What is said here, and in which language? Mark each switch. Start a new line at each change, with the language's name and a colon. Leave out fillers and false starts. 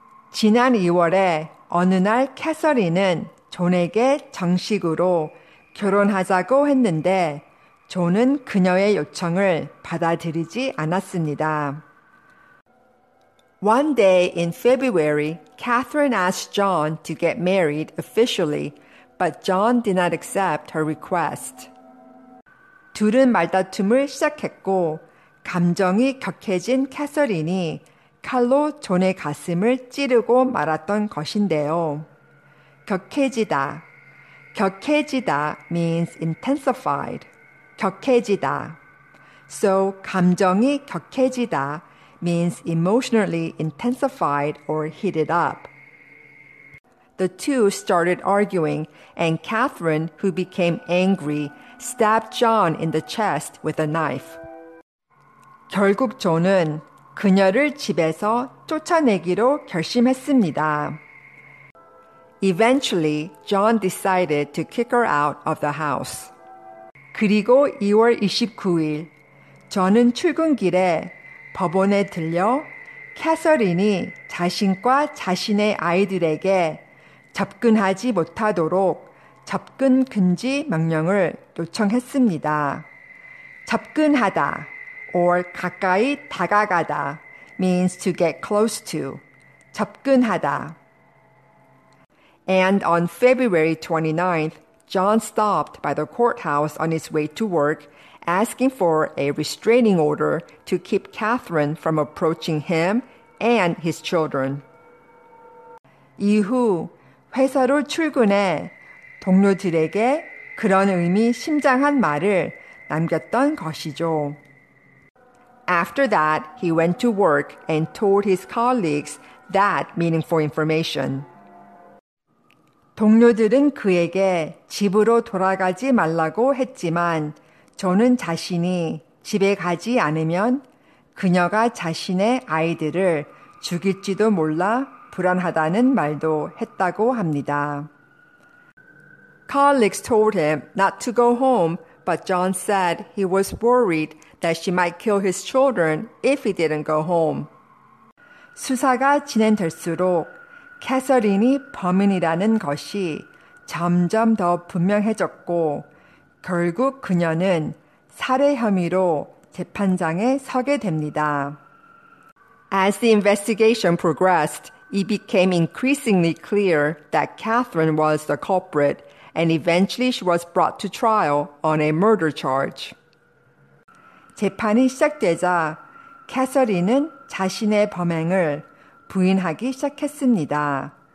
Korean: "지난 2월에 어느 날 캐서린은 존에게 정식으로 결혼하자고 했는데 존은 그녀의 요청을 받아들이지 않았습니다.
English: One day in February, Catherine asked John to get married officially, but John did not accept her request.
Korean: 둘은 말다툼을 시작했고 감정이 격해진 캐서린이 칼로 존의 가슴을 찌르고 말았던 것인데요.
English: 격해지다. 격해지다 means intensified.
Korean: 격해지다.
English: So, 감정이 격해지다 means emotionally intensified or heated up. The two started arguing, and Catherine, who became angry, stabbed John in the chest with a knife.
Korean: 결국 존은 그녀를 집에서 쫓아내기로 결심했습니다.
English: Eventually, John decided to kick her out of the house.
Korean: 그리고 2월 29일, 존은 출근길에 법원에 들려 캐서린이 자신과 자신의 아이들에게 접근하지 못하도록 접근 금지 명령을 요청했습니다.
English: 접근하다 or 가까이 다가가다 means to get close to, 접근하다. And on February 29th, John stopped by the courthouse on his way to work, asking for a restraining order to keep Catherine from approaching him and his children.
Korean: 이후 회사로 출근해 동료들에게 그런 의미 심장한 말을 남겼던 것이죠.
English: After that, he went to work and told his colleagues that meaningful information.
Korean: 동료들은 그에게 집으로 돌아가지 말라고 했지만 저는 자신이 집에 가지 않으면 그녀가 자신의 아이들을 죽일지도 몰라 불안하다는 말도 했다고 합니다.
English: Colleagues told him not to go home, but John said he was worried that she might kill his children if he didn't go home.
Korean: 수사가 진행될수록 캐서린이 범인이라는 것이 점점 더 분명해졌고 결국 그녀는 살해 혐의로 재판장에 서게 됩니다.
English: As the investigation progressed, it became increasingly clear that Catherine was the culprit, and eventually she was brought to trial on a murder charge.
Korean: 재판이 시작되자 캐서린은 자신의 범행을 부인하기 시작했습니다.